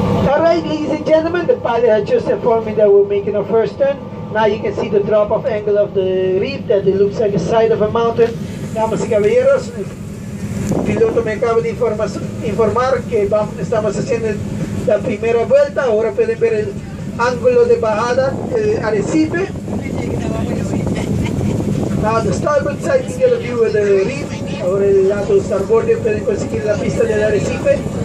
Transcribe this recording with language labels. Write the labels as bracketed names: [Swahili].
[English] All right, ladies and gentlemen, the pilot has just informed me that we're making our first turn. Now you can see the drop-off angle of the reef, that it looks like a side of a mountain. [Spanish] Damas y caballeros, el piloto me acaba de informar que estamos haciendo la primera vuelta. Ahora pueden ver el ángulo de bajada del arrecife. [English] Now the starboard side can get a view of the reef. [Spanish] Ahora el lado starboard pueden conseguir la pista del arrecife.